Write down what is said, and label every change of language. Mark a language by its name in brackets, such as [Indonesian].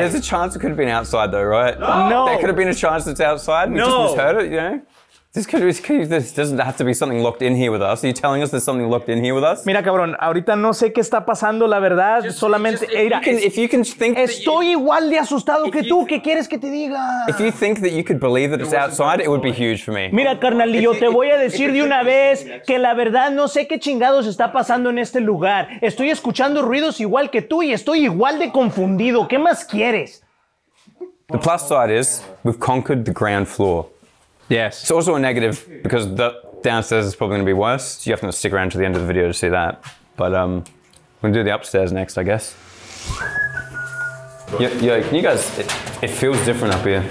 [English] There's a chance it could have been outside though, right? No. There could have been a chance it's outside and we just misheard it, you know? This doesn't have to be something locked in here with us. Are you telling us there's something locked in here with us? [Spanish] Mira, cabrón, ahorita no sé qué está pasando, la verdad. Estoy igual de asustado que tú. ¿Qué quieres que te diga? [English] If you think that you could believe that it's outside, it would be huge for me. [Spanish] Mira, carnalillo, te voy a decir de una vez que la verdad no sé qué chingados está pasando en este lugar. Estoy escuchando ruidos igual que tú y estoy igual de confundido. ¿Qué más quieres? [English] The plus side is we've conquered the ground floor. Yes. It's also a negative because the downstairs is probably going to be worse. So you have to stick around to the end of the video to see that. But we're going to do the upstairs next, I guess. Yeah, can you guys, it feels different up here.